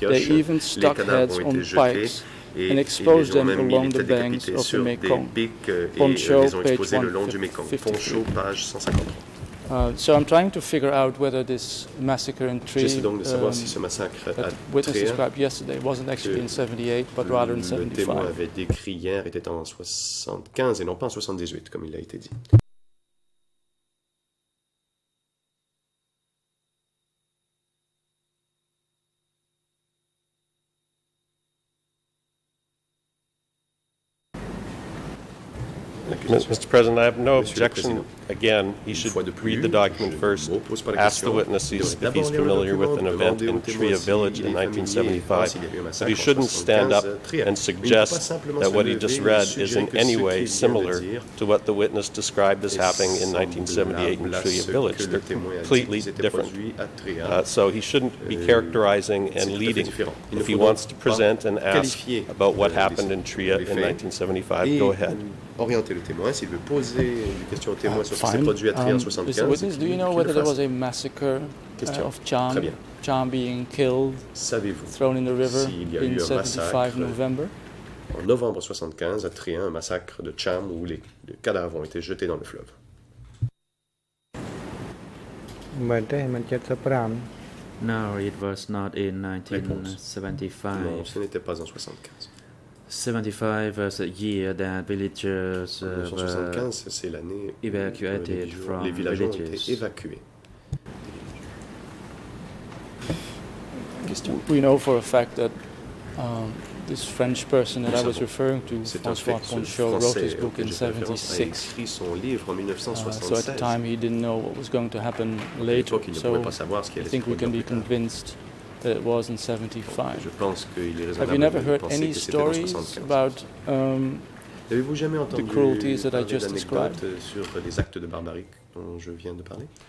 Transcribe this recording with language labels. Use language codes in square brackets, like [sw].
[en] They even stuck heads on pikes and exposed them along the banks of the Mekong. Poncho, page 153. So I'm trying to figure out whether this massacre in Trier that witness described yesterday wasn't actually in 78, but rather in 75. [fr] Le témoin avait décrit hier était en 75 et non pas en 78, comme il a été dit. [en] Mr. President, I have no objection. Again, he should read the document first, ask the witnesses if he's familiar with an event in Tria Village in 1975, but he shouldn't stand up and suggest that what he just read is in any way similar to what the witness described as happening in 1978 in Tria Village. They're completely different. So he shouldn't be characterizing and leading. If he wants to present and ask about what happened in Tria in 1975, go ahead. [fr] Orienter le témoin s'il veut poser une question au témoin sur ce qui s'est produit à Trier en 75. [en] Witness, do you know whether there was a massacre of Cham? Cham being killed, thrown in the river in 75 November. [fr] En novembre 75 à Trier, un massacre de Cham où les cadavres ont été jetés dans le fleuve. [en] No, it was not in 1975. [fr] Non, ce n'était pas en 75. [en] 75 was a year that villagers were evacuated from [fr] les [en] villages. We know for a fact that this French person that I was referring to, François Poncho, wrote his book in 76. So at the time he didn't know what was going to happen later. So I think we can be convinced that it was in 75. [fr] Je pense qu'il est [en] Have you never heard any stories about the cruelties that I just described? [fr] Sur les actes de barbarie dont je viens de parler?